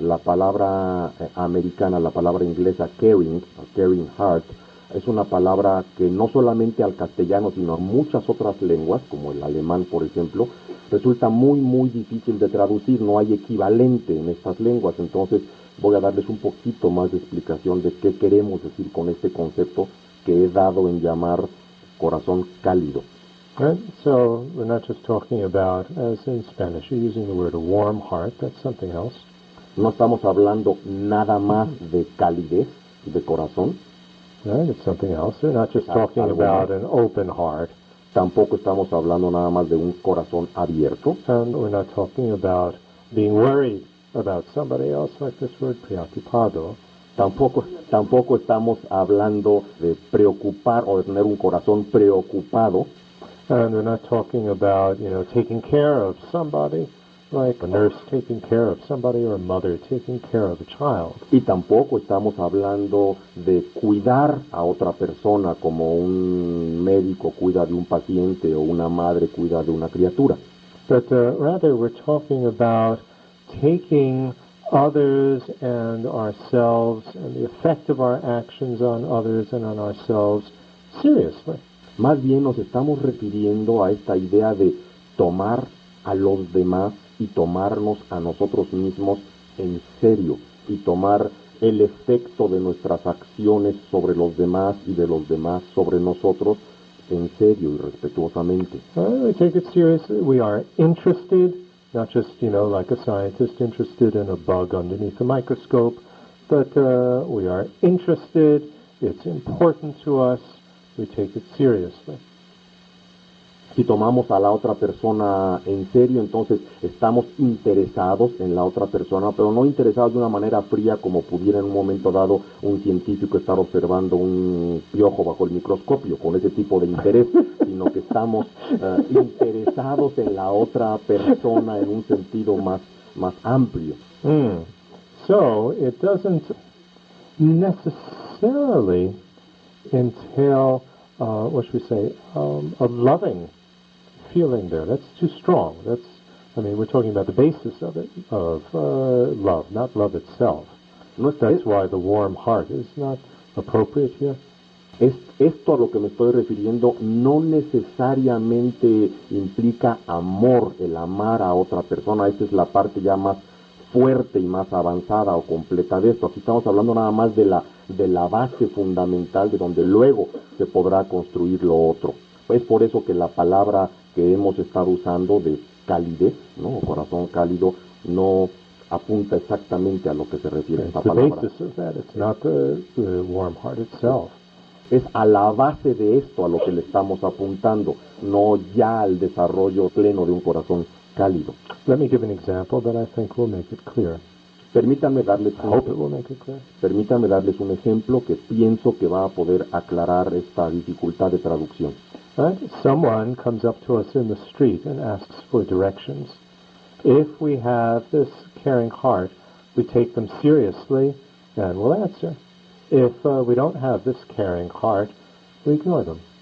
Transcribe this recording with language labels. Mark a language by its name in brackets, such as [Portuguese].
[Spanish] La palabra americana, la palabra inglesa caring, caring heart, es una palabra que no solamente al castellano, sino a muchas otras lenguas, como el alemán, por ejemplo, resulta muy, muy difícil de traducir, no hay equivalente en estas lenguas. Entonces voy a darles un poquito más de explicación de qué queremos decir con este concepto que he dado en llamar corazón cálido. [English] So we're not just talking about, as in Spanish, you're using the word a warm heart, that's something else. [Spanish] No estamos hablando nada más de calidez, de corazón. [English] Right, it's something else. We're not just talking about an open heart. [Spanish] Tampoco estamos hablando nada más de un corazón abierto. [English] And we're not talking about being worried about somebody else, like this word, preocupado. [Spanish] Tampoco estamos hablando de preocupar o de tener un corazón preocupado. [English] And we're not talking about, you know, taking care of somebody, like a nurse taking care of somebody or a mother taking care of a child. [Spanish] Y tampoco estamos hablando de cuidar a otra persona como un médico cuida de un paciente o una madre cuida de una criatura. [English] But rather we're talking about taking others and ourselves and the effect of our actions on others and on ourselves seriously. [Spanish] Más bien nos estamos refiriendo a esta idea de tomar a los demás y tomarnos a nosotros mismos en serio, y tomar el efecto de nuestras acciones sobre los demás y de los demás sobre nosotros en serio y respetuosamente. [English] Well, we take it seriously. We are interested, not just, you know, like a scientist interested in a bug underneath a microscope, but we are interested, it's important to us. We take it seriously. [Spanish] Si tomamos a la otra persona en serio, entonces estamos interesados en la otra persona, pero no interesados de una manera fría como pudiera en un momento dado un científico estar observando un piojo bajo el microscopio con ese tipo de interés, sino que estamos interesados en la otra persona en un sentido más amplio. [English] So it doesn't necessarily entail a loving feeling there. That's too strong. We're talking about the basis of it, of love, not love itself. That's why the warm heart is not appropriate here. [Spanish] Esto a lo que me estoy refiriendo no necesariamente implica amor, el amar a otra persona. Esta es la parte ya más fuerte y más avanzada o completa de esto. Aquí estamos hablando nada más de la base fundamental de donde luego se podrá construir lo otro. Es por eso que la palabra que hemos estado usando de calidez, ¿no? O corazón cálido, no apunta exactamente a lo que se refiere [English] it's [Spanish] esta palabra. [English] It's the basis of that. It's not the warm heart itself. [Spanish] Es a la base de esto a lo que le estamos apuntando, no ya al desarrollo pleno de un corazón cálido. [English] Let me give an example that I think will make it clear. [Spanish] Permítanme darles un ejemplo que pienso que va a poder aclarar esta dificultad de traducción. [English] Right? Someone comes up to us in the street and asks for directions. If we have this caring heart, we take them seriously and we'll answer. If we don't have this caring heart, we ignore them.